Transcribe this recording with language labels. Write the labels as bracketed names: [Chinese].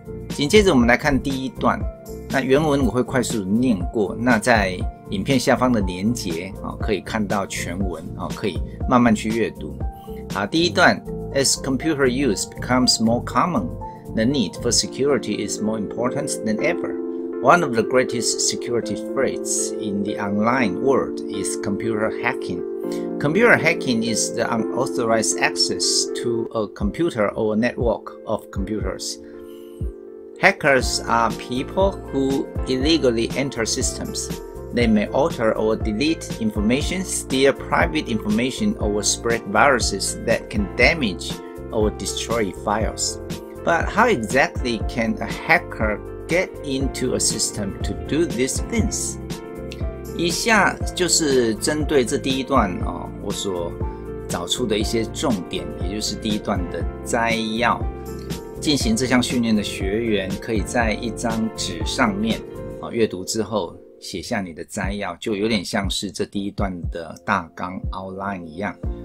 [Chinese] 紧接着我们来看第一段，那原文我会快速念过，那在影片下方的连结、可以看到全文、可以慢慢去阅读。好，第一段 [English] As computer use becomes more common, the need for security is more important than ever. One of the greatest security threats in the online world is computer hacking. Computer hacking is the unauthorized access to a computer or a network of computers. Hackers are people who illegally enter systems. They may alter or delete information, steal private information, or spread viruses that can damage or destroy files. But how exactly can a hacker get into a system to do these things? [Chinese] 以下就是针对这第一段、我所找出的一些重点，也就是第一段的摘要。进行这项训练的学员可以在一张纸上面、阅读之后写下你的摘要，就有点像是这第一段的大纲 outline 一样。